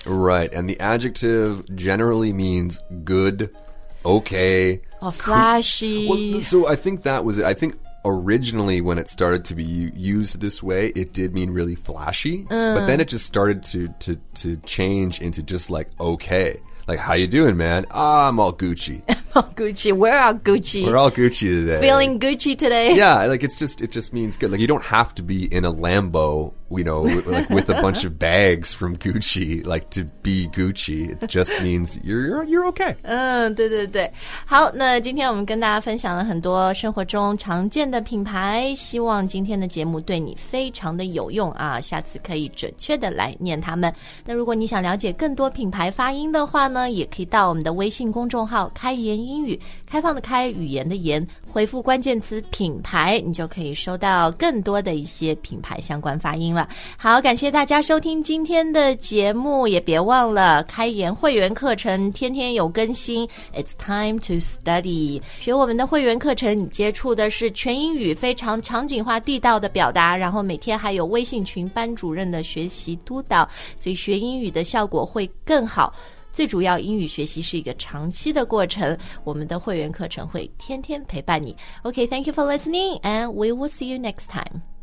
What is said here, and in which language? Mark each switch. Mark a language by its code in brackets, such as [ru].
[en] Right, and the adjective generally means good, okay. Or flashy. Well, so I think that was it. I think originally when it started to be used this way, it did mean really flashy. But then it just started to change into just like okay. Like, how you doing, man? Ah, I'm all Gucci. I'm all Gucci. We're all Gucci. We're all Gucci today. Feeling Gucci today. Yeah, like, it just means good. Like, you don't have to be in a Lambo, you know, like, with a bunch of bags from Gucci, like, to be Gucci. It just means you're okay. [zh] 对对对。好，那今天我们跟大家分享了很多生活中常见的品牌，希望今天的节目对你非常的有用啊，下次可以准确的来念他们。那如果你想了解更多品牌发音的话，也可以到我们的微信公众号开言英语，开放的开，语言的言，回复关键词品牌，你就可以收到更多的一些品牌相关发音了。好，感谢大家收听今天的节目，也别忘了开言会员课程天天有更新。 [en] It's time to study. [zh] 学我们的会员课程，你接触的是全英语非常场景化地道的表达，然后每天还有微信群班主任的学习督导，所以学英语的效果会更好。最主要，英语学习是一个长期的过程，我们的会员课程会天天陪伴你。 [en] OK, thank you for listening, and we will see you next time.